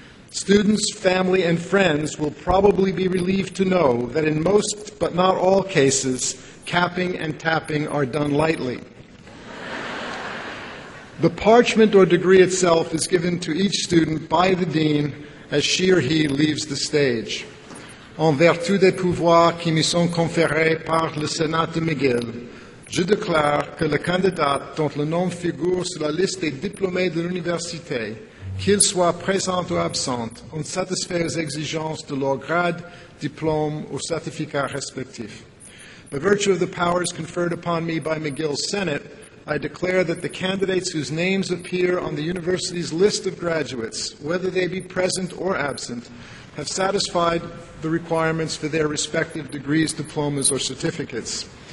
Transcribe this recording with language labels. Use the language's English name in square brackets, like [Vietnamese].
[English] Students, family, and friends will probably be relieved to know that in most but not all cases, capping and tapping are done lightly. The parchment or degree itself is given to each student by the dean as she or he leaves the stage. [French] En vertu des pouvoirs qui me sont conférés par le Sénat de McGill, je déclare que le candidat dont le nom figure sur la liste des diplômés de l'université qu'ils soient présents ou absents, ont satisfait aux exigences de leur grade, diplôme ou certificat respectif. [English] By virtue of the powers conferred upon me by McGill's Senate, I declare that the candidates whose names appear on the university's list of graduates, whether they be present or absent, have satisfied the requirements for their respective degrees, diplomas, or certificates.